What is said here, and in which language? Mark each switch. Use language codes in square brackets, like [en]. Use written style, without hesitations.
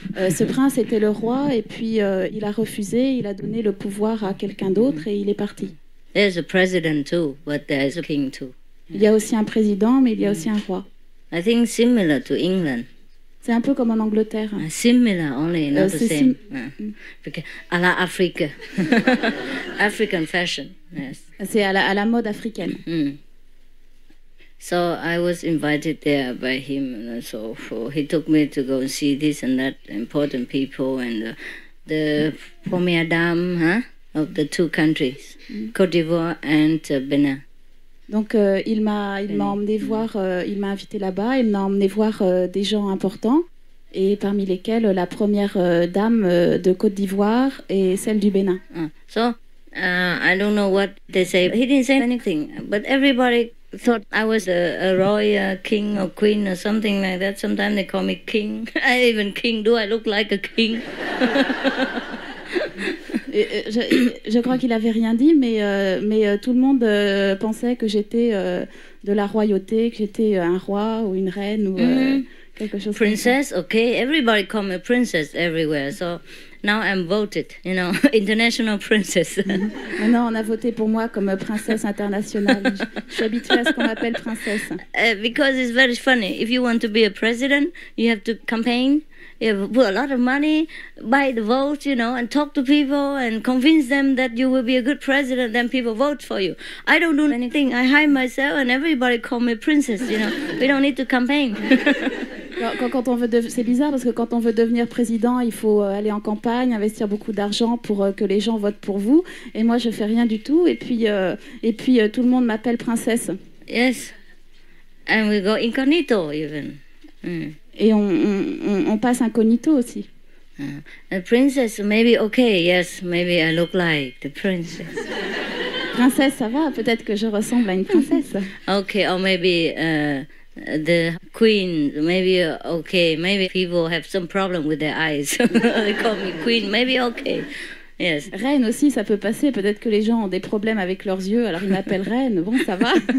[fr] Ce prince était le roi et puis il a refusé, il a donné le pouvoir à quelqu'un d'autre et il est parti. [en] There's a president too, but there's a king too. [fr] Il y a aussi un président, mais il y a aussi un roi. [en] I think similar to England. [fr] C'est un peu comme en Angleterre. [en] Similar only, not the same. [fr] À la Afrique. [en] African fashion, yes. [fr] C'est à la mode africaine. Mm. [en] So I was invited there by him, and so he took me to go and see this and that important people and the [fr] premier dame, [en] hein, of the two countries, Côte d'Ivoire and Benin. [fr] Donc il m'a emmené voir, il m'a invité là-bas, il m'a emmené voir des gens importants, et parmi lesquels la première dame de Côte d'Ivoire et celle du Bénin. [en] So I don't know what they say. He didn't say anything, but everybody thought I was a royal king or queen or something like that. Sometimes they call me king. Even king, do I look like a king? [fr] je crois qu'il avait rien dit, mais tout le monde pensait que j'étais de la royauté, que j'étais un roi ou une reine ou quelque chose. [en] Princess, okay. Everybody call me princess everywhere. So now I'm voted, you know, international princess. [fr] Maintenant, on a voté pour moi comme princesse internationale. Je suis habituée à ce qu'on m'appelle princesse. [en] Because it's very funny. If you want to be a president, you have to campaign. You put a lot of money, buy the vote, you know, and talk to people and convince them that you will be a good president, then people vote for you. I don't do anything. I hide myself and everybody call me princess, you know. We don't need to campaign. [fr] Quand on veut c'est bizarre parce que quand on veut devenir président, il faut aller en campagne, investir beaucoup d'argent pour que les gens votent pour vous. Et moi, je fais rien du tout. Et puis tout le monde m'appelle princesse. [en] Yes. And we go incognito even. [fr] Et on passe incognito aussi. [en] A princess, maybe okay, yes, maybe I look like the princess. [fr] Princesse, ça va, peut-être que je ressemble à une princesse. [en] Okay, or maybe the queen, maybe okay, maybe people have some problem with their eyes. They call me queen, maybe okay, yes. [fr] Reine aussi, ça peut passer, peut-être que les gens ont des problèmes avec leurs yeux, alors ils m'appellent reine, bon, ça va.